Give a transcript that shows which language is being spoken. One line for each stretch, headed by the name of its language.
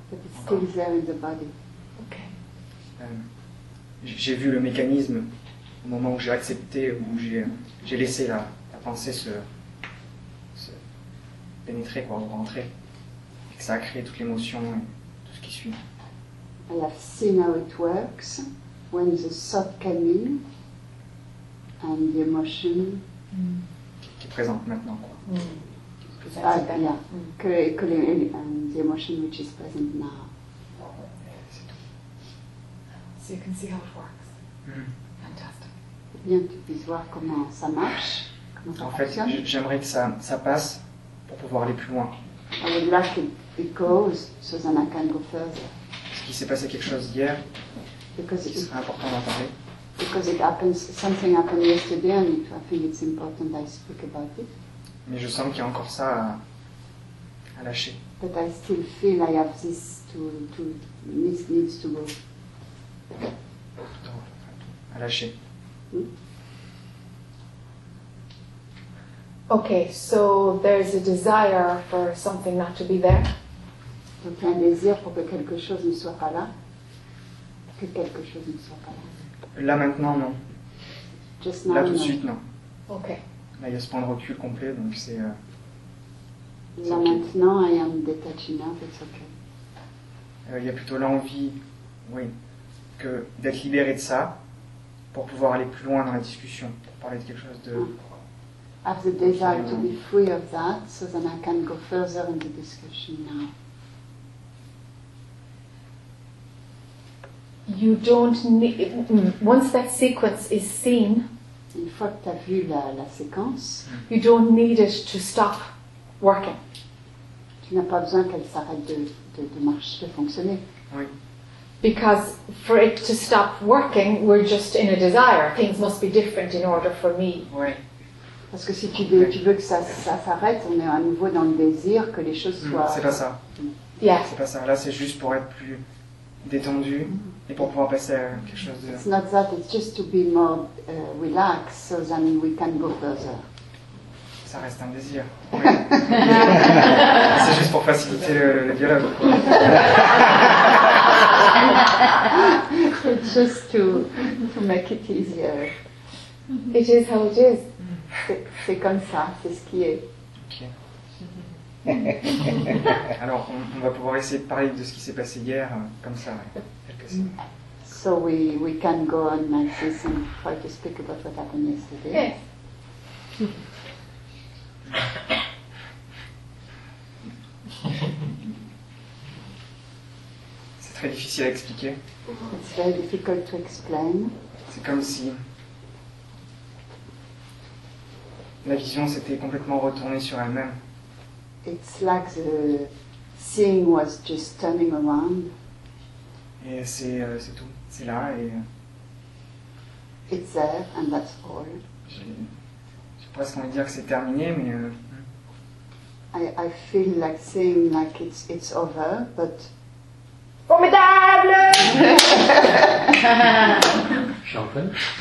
English: But it's still there in the body. Okay.
French: J'ai vu le mécanisme au moment où j'ai accepté, où j'ai laissé la pensée se pénétrer, quoi, ou rentrer. Et que ça a créé toute l'émotion et tout ce qui suit.
English: I have seen how it works when the thought came in and the emotion.
French: Qui est présente maintenant, quoi.
English: The emotion which is present now. So you can see how it works. Mm. Fantastic.
French: Et bien, tu puisses voir comment ça marche, comment ça en fonctionne. En fait, j'aimerais que ça passe pour pouvoir aller plus loin.
English: I would like it goes so that I can go further.
French: Parce qu'il s'est passé quelque chose hier,
English: because
French: qui serait important d'en parler.
English: Because it happens, something happened yesterday, and I think it's important I speak about it.
French: Mais je sens qu'il y a encore ça à lâcher.
English: But I still feel I have this to this needs to go.
French: À lâcher.
English: Okay, so there's a desire for something not to be there.
French: Donc un désir pour que quelque chose ne soit pas là. Que quelque chose ne soit pas là. Là maintenant, non.
English: Just now,
French: là tout de suite, non.
English: Okay.
French: Là, il y a ce point de recul complet, donc c'est. Là okay. Maintenant,
English: I am detached enough, it's okay.
French: Il y a plutôt l'envie, oui, que d'être libéré de ça pour pouvoir aller plus loin dans la discussion, pour parler de quelque chose de.
English: Have the desire to be free of that, so then I can go further in the discussion now. You don't need. Once that sequence is seen.
French: Une fois que tu as vu la séquence,
English: you don't need it to stop working.
French: Tu n'as pas besoin qu'elle s'arrête de marcher, de fonctionner. Oui.
English: Because for it to stop working, we're just in a desire. Things must be different in order for me.
French: Oui. Parce que si tu veux que ça s'arrête, on est à nouveau dans le désir que les choses soient. C'est pas ça.
English: Yeah.
French: C'est pas ça. Là, c'est juste pour être plus détendu. Et pour pouvoir passer à quelque chose de.
English: It's not that, it's just to be more relaxed so that we can go further.
French: Ça reste un désir. Oui. C'est juste pour faciliter le dialogue.
English: It's just to make it easier. It is how it is.
French: C'est comme ça, c'est ce qui est. Ok. Alors, on va pouvoir essayer de parler de ce qui s'est passé hier, comme ça.
English: So we can go on like this and try to speak about what happened yesterday. Yes.
French: C'est très difficile à expliquer.
English: It's very difficult to explain.
French: C'est comme si la vision s'était complètement retournée sur elle-même.
English: It's like the seeing was just turning around.
French: Et c'est tout, c'est là et.
English: It's there and that's all.
French: J'ai presque envie de dire que c'est terminé, mais.
English: I feel like saying like it's over, but.
French: Formidable! Champagne.